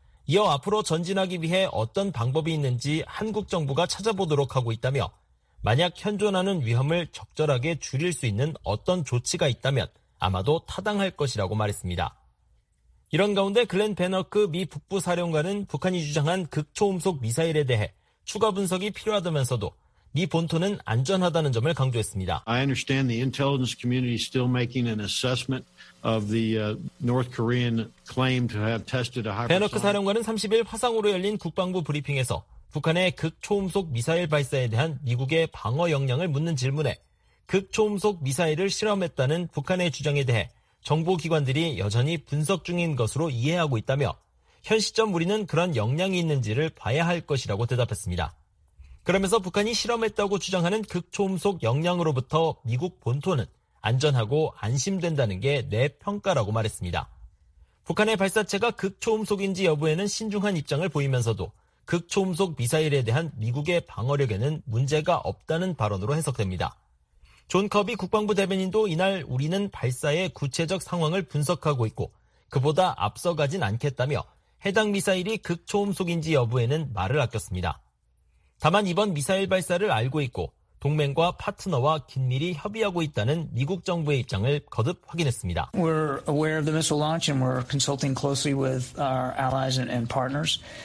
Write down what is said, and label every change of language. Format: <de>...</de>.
<ko>이어 앞으로 전진하기 위해 어떤 방법이 있는지 한국 정부가 찾아보도록 하고 있다며 만약 현존하는 위험을 적절하게 줄일 수 있는 어떤 조치가 있다면 아마도 타당할 것이라고 말했습니다. 이런 가운데 글렌 베너크 미 북부사령관은 북한이 주장한 극초음속 미사일에 대해 추가 분석이 필요하다면서도 미 본토는 안전하다는 점을 강조했습니다.</ko> <en>I understand the intelligence community is still making an assessment of the North Korean claim to have tested a hypersonic.</en> <ko>베너크 사령관은 30일 화상으로 열린 국방부 브리핑에서 북한의 극초음속 미사일 발사에 대한 미국의 방어 역량을 묻는 질문에 극초음속 미사일을 실험했다는 북한의 주장에 대해 정보기관들이 여전히 분석 중인 것으로 이해하고 있다며 현 시점 우리는 그런 역량이 있는지를 봐야 할 것이라고 대답했습니다. 그러면서 북한이 실험했다고 주장하는 극초음속 역량으로부터 미국 본토는 안전하고 안심된다는 게 내 평가라고 말했습니다. 북한의 발사체가 극초음속인지 여부에는 신중한 입장을 보이면서도 극초음속 미사일에 대한 미국의 방어력에는 문제가 없다는 발언으로 해석됩니다. 존 커비 국방부 대변인도 이날 우리는 발사의 구체적 상황을 분석하고 있고 그보다 앞서가진 않겠다며 해당 미사일이 극초음속인지 여부에는 말을 아꼈습니다. 다만 이번 미사일 발사를 알고 있고 동맹과 파트너와 긴밀히 협의하고 있다는 미국 정부의 입장을 거듭 확인했습니다.</ko> <en>We're aware of the missile launch and we're consulting closely with our allies and partners.</en>